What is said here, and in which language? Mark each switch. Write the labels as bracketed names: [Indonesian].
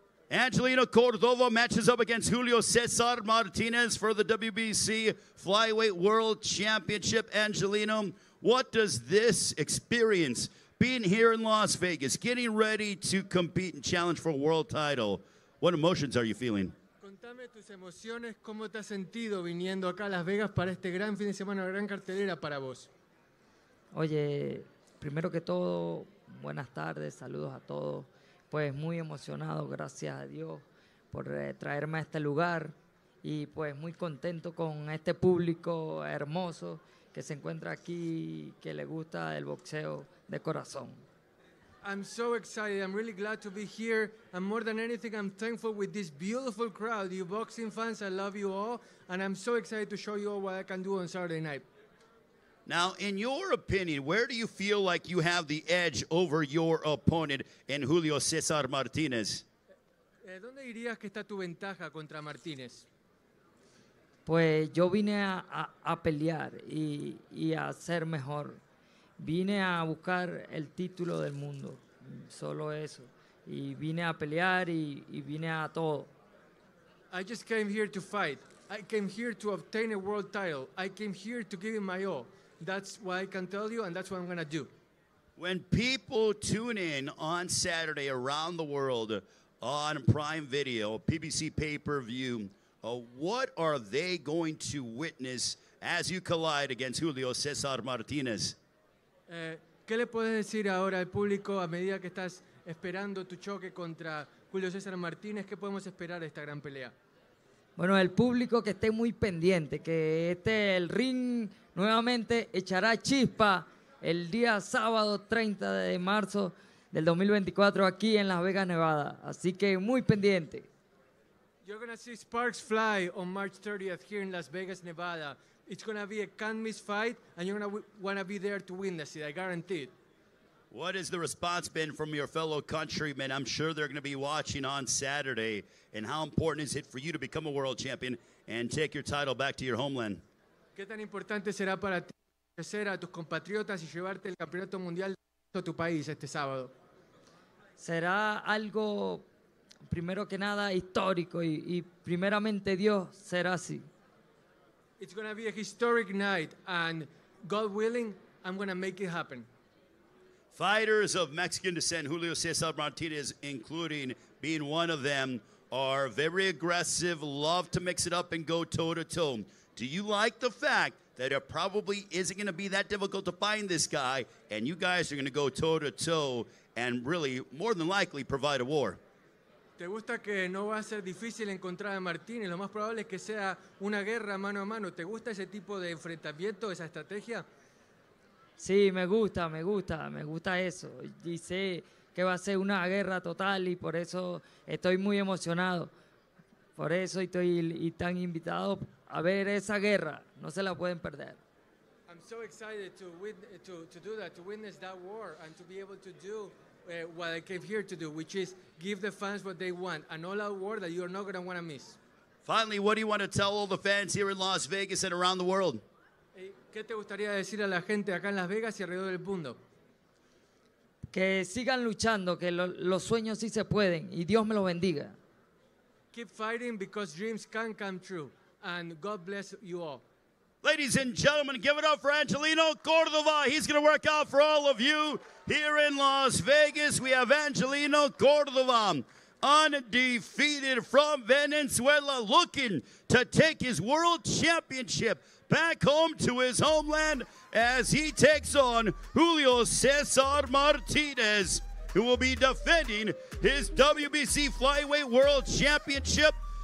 [English] Angelino Cordova matches up against Julio Cesar Martinez for the WBC Flyweight World Championship. Angelino, what does this experience, being here in Las Vegas, getting ready to compete and challenge for a world title, what emotions are you feeling? [Spanish] Contame tus emociones. ¿Cómo te has sentido viniendo acá a Las Vegas para este gran fin de semana, gran cartelera para vos? Oye, primero que todo, buenas tardes, saludos a todos. Pues muy emocionado, gracias a Dios por traerme a este lugar y pues muy contento con este público hermoso que se encuentra aquí, que le gusta el boxeo de corazón. [English] I'm so excited. I'm really glad to be here. And more than anything, I'm thankful with this beautiful crowd. You boxing fans, I love you all. And I'm so excited to show you all what I can do on Saturday night. Now, in your opinion, where do you feel like you have the edge over your opponent in Julio Cesar Martinez? [Spanish] ¿Dónde dirías que está tu ventaja contra Martinez? Pues yo vine a pelear y a ser mejor. Vine a buscar el título del mundo, solo eso. Y vine a pelear y vine a todo. [English] I just came here to fight. I came here to obtain a world title. I came here to give it my all. That's what I can tell you, and that's what I'm going to do. When people tune in on Saturday around the world on Prime Video, PBC pay-per-view, what are they going to witness as you collide against Julio Cesar Martinez? [Spanish] ¿Qué le puedes decir ahora al público a medida que estás esperando tu choque contra Julio Cesar Martinez? ¿Qué podemos esperar de esta gran pelea? Bueno, el público que esté muy pendiente, que esté el ring nuevamente echará chispa el día sábado 30 de marzo del 2024 aquí en Las Vegas, Nevada. Así que muy pendiente. [English] You're going to see sparks fly on March 30th here in Las Vegas, Nevada. It's going to be a can't-miss fight, and you're going to want to be there to win this, I guarantee it. What has the response been from your fellow countrymen? I'm sure they're going to be watching on Saturday. And how important is it for you to become a world champion and take your title back to your homeland? [Spanish] ¿Qué tan importante será para ti ser a tus compatriotas y llevarte el campeonato mundial a tu país este sábado? Será algo, primero que nada, histórico y primeramente Dios será así. [English] It's going to be a historic night, and God willing, I'm going to make it happen. Fighters of Mexican descent, Julio Cesar Martinez including being one of them, are very aggressive, love to mix it up and go toe-to-toe. Do you like the fact that it probably isn't going to be that difficult to find this guy, and you guys are going to go toe-to-toe and really, more than likely, provide a war? [Spanish] ¿Te gusta que no va a ser difícil encontrar a Martínez? Lo más probable es que sea una guerra mano a mano. ¿Te gusta ese tipo de enfrentamiento, esa estrategia? Sí, me gusta eso. Y sé que va a ser una guerra total y por eso estoy muy emocionado. Por eso estoy y tan invitado a ver esa guerra. No se la pueden perder. [English] I'm so excited to witness that war and to be able to do what I came here to do, which is give the fans what they want, an all-out war that you're not going to want to miss. Finally, what do you want to tell all the fans here in Las Vegas and around the world? [Spanish] ¿Qué te gustaría decir a la gente acá en Las Vegas y alrededor del mundo? Que sigan luchando, que los sueños sí se pueden, y Dios me los bendiga. [English] Keep fighting because dreams can come true, and God bless you all. Ladies and gentlemen, give it up for Angelino Cordova. He's going to work out for all of you here in Las Vegas. We have Angelino Cordova, undefeated from Venezuela, looking to take his world championship back home to his homeland as he takes on Julio Cesar Martinez, who will be defending his WBC Flyweight World Championship.